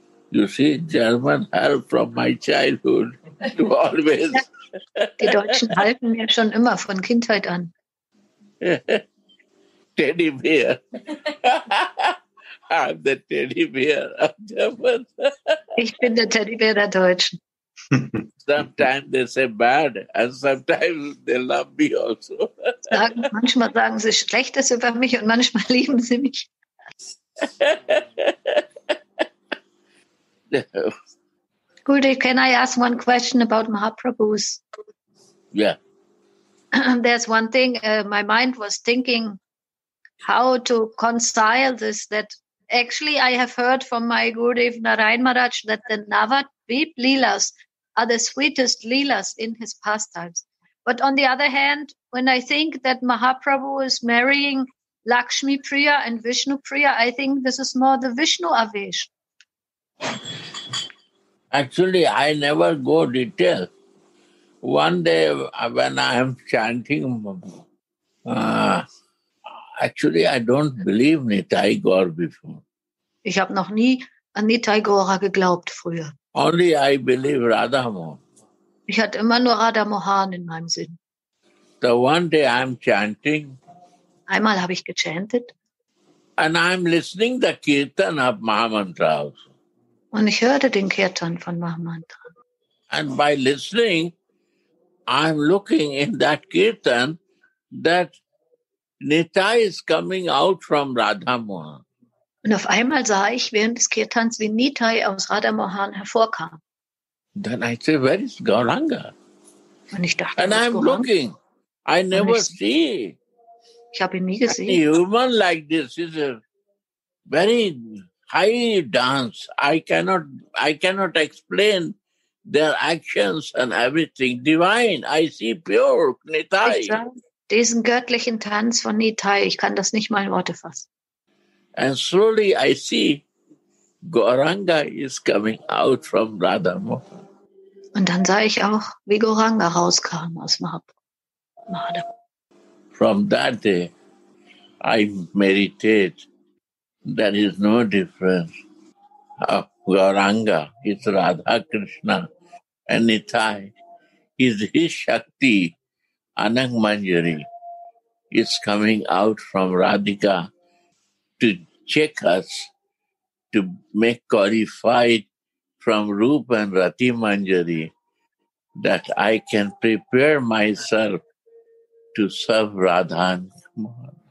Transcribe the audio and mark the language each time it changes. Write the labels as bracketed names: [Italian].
[English] You see, German help from my childhood to always. [German] Die Deutschen halten mir schon immer von Kindheit an. [English] Teddy Bear. I'm the Teddy Bear of German. [German] Ich bin der Teddy Bear der Deutschen. [English] Sometimes they say bad and sometimes they love me also. [German] Manchmal sagen sie Schlechtes über mich und manchmal lieben sie mich. [English] Guldev, can I ask one question about Mahaprabhu's? Yeah. There's one thing. My mind was thinking how to concile this, that actually I have heard from my Gurudev Narayan Maharaj that the Navadvip Leelas are the sweetest Leelas in his pastimes. But on the other hand, when I think that Mahaprabhu is marrying Lakshmi Priya and Vishnu Priya, I think this is more the Vishnu Avesh. Actually, I never go detail. One day when I am chanting, actually I don't believe Nitai Gaur before. [German] Ich habe noch nie an Nitai Gaur geglaubt früher. [English] Only I believe Radha Mohan. [German] Ich hatte immer nur Radha Mohan in meinem Sinn. [English] So one day I am chanting. [German] Einmal habe ich gechantet. [English] And I am listening the Kirtan of Mahamantra also. [German] Und ich hörte den Kirtan von Mahamantra. [English] And by listening, I'm looking in that Kirtan that Nitai is coming out from Radha Mohan. [German] Und auf einmal sah ich während des Kirtans, wie Nitai aus Radha Mohan hervorkam. [English] Then I say, where is Gauranga? [German] Und ich dachte, [English] and I'm Gauranga? Looking. I never see. [German] Ich habe ihn nie gesehen. A human like this is a very high dance. I cannot explain their actions and everything. Divine. I see pure Nitai. Ich sah diesen göttlichen Tanz von Nitai. Ich kann das nicht mal in Worte fassen. [English] And slowly I see Gauranga is coming out from Radha Mohan. [German] Und dann sah ich auch, wie Gauranga rauskam aus Mahaprabhu. [English] From that day, I meditate. There is no difference of Gauranga, it's Radha Krishna, and Nitai is his Shakti, Anang Manjari. It's coming out from Radhika to check us, to make qualified from Rupa and Rati Manjari, that I can prepare myself to serve Radha and Mohan.